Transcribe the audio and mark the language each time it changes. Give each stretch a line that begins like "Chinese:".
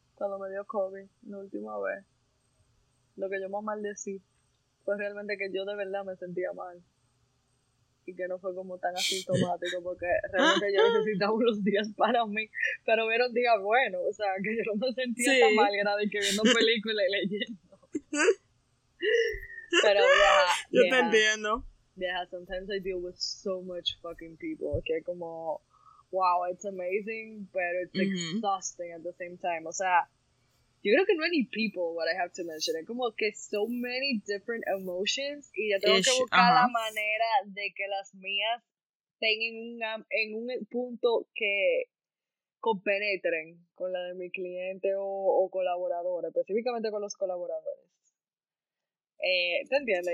Spanish: Cuando me dio COVID, la última vez, lo que yo más maldecí fue realmente que yo de verdad me sentía mal. Y que no fue como tan asintomático, porque realmente yo necesitaba unos días para mí. Pero hubieron días buenos, o sea, que yo no me sentía tan mal, era de que viendo películas y leyendo. Pero yo te entiendo.
English: Yeah, sometimes I deal with so much fucking people, que okay?
Spanish: Como,
English: wow, it's amazing, but it's exhausting at the same time.
Spanish: O sea, yo creo que no hay ni people,
English: what I have to mention.
Spanish: Es como que
English: so many different emotions,
Spanish: y ya tengo que buscar la manera de que las mías estén en un punto que compenetren con la de mi cliente o colaborador, específicamente con los colaboradores. ¿Te entiendes?